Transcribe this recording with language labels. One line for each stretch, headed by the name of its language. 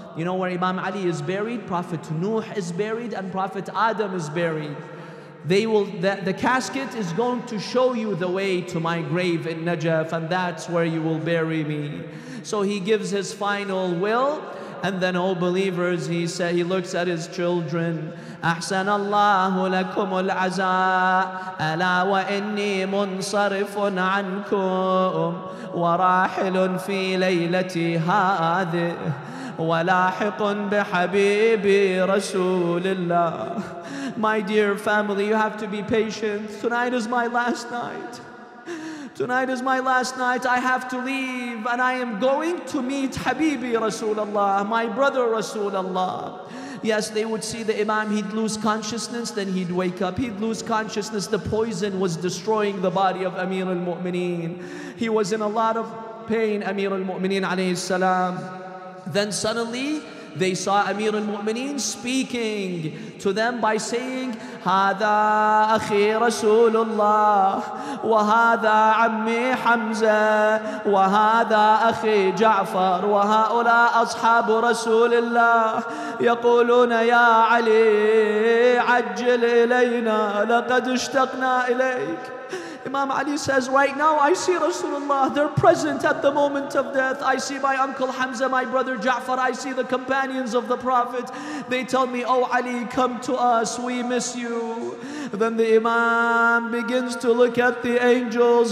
English: You know where Imam Ali is buried? Prophet Nuh is buried and Prophet Adam is buried. The casket is going to show you the way to my grave in Najaf, and that's where you will bury me. So he gives his final will, and then, oh believers, he said, he looks at his children.
Arabic: أحسن الله لكم العزاء ألا وإني منصرف عنكم وراحل في ليلتي هذه. ولاحق بحبيبي رسول الله.
English: My dear family, you have to be patient. Tonight is my last night. Tonight is my last night. I have to leave and I am going to meet Habibi Rasulullah, my brother Rasulullah. Yes, they would see the Imam, he'd lose consciousness, then he'd wake up. He'd lose consciousness. The poison was destroying the body of Amir al-Mu'mineen. He was in a lot of pain, Amir al-Mu'mineen alayhi salam. Then suddenly, they saw Amir al-Mu'mineen speaking to them by saying,
Arabic: هَذَا أَخِي رَسُولُ اللَّهِ وَهَذَا عَمِّي حَمْزَةِ وَهَذَا أَخِي جَعْفَرُ وَهَؤُلَاء أَصْحَابُ رَسُولِ اللَّهِ يَقُولُونَ يَا عَلِي عَجِّلْ إِلَيْنَا لَقَدْ اشْتَقْنَا إِلَيْكَ.
English: Imam Ali says, right now I see Rasulullah, they're present at the moment of death. I see my uncle Hamza, my brother Ja'far, I see the companions of the Prophet. They tell me, oh Ali, come to us, we miss you. Then the Imam begins to look at the angels.